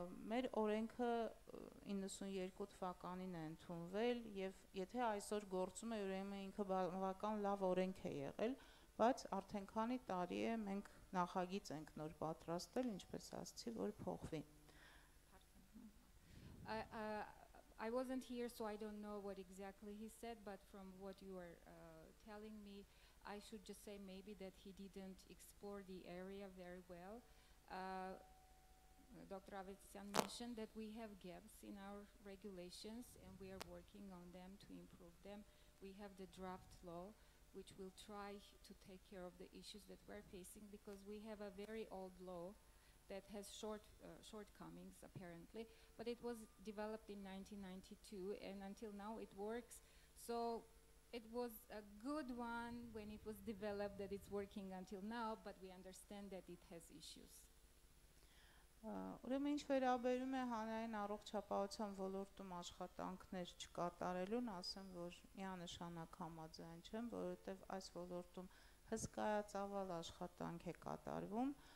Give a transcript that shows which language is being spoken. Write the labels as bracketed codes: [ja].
[hy] Մեր օրենքը 92 թվականին է ընդունվել եւ եթե այսօր գործում է, ուրեմն ինքը բավական լավ օրենք է եղել, բայց արդեն քանի տարի է մենք նախագիծ ենք նոր պատրաստել, ինչպես ասացի, որ փոխվի։ [en] I wasn't here, so I don't know what exactly he said, but from what you are telling me, I should just say maybe that he didn't explore the area very well. Dr. Avetisyan mentioned that we have gaps in our regulations and we are working on them to improve them. We have the draft law, which will try to take care of the issues that we're facing, because we have a very old law that has shortcomings, apparently, but it was developed in 1992, and until now it works. So it was a good one when it was developed that it's working until now, but we understand that it has issues. [hy] Ուրեմն ինչ վերաբերում է հանրային առողջապահության ոլորտում աշխատանքներ չկատարելուն, ասեմ, որ միանշանակ համաձայն չեմ, որովհետև այս ոլորտում հսկայածավալ աշխատանք է կատարվում։